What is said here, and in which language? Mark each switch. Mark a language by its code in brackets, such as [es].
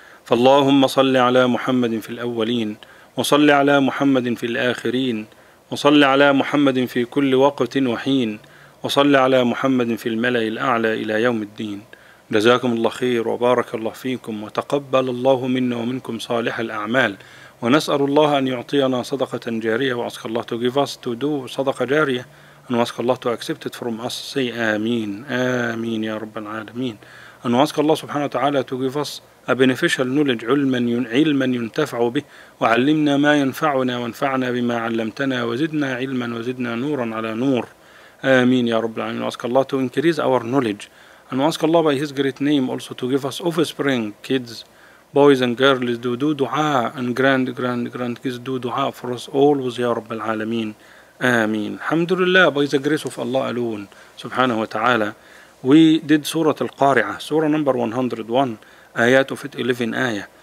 [ar] فاللهم صل على محمد في الأولين، وصل على محمد في الآخرين، وصل على محمد في كل وقت وحين، وصل على محمد في الملأ الأعلى إلى يوم الدين. جزاكم الله خير وبارك الله فيكم، وتقبل الله منا ومنكم صالح الأعمال، ونسأل الله أن يعطينا صدقة جارية. وأسك الله [en] to give us to do صدقة جارية، and ask Allah to accept it from us. Say [ar] آمين آمين يا رب العالمين. [en] and ask Allah [ar] سبحانه وتعالى [en] to give us a beneficial knowledge، [ar] علما ينتفع به، وعلمنا ما ينفعنا، وانفعنا بما علمتنا، وزدنا علما وزدنا نورا على نور. آمين يا رب العالمين. [en] ask Allah to increase our knowledge، and ask Allah by His great name also to give us offspring kids. Boys and girls, do dua and grand kids do dua for us always, ya Rabbil Alameen. Ameen. Alhamdulillah, by the grace of Allah alone, subhanahu wa ta'ala, we did Surah Al-Qari'ah, Surah number 101, ayat of it 11 ayah.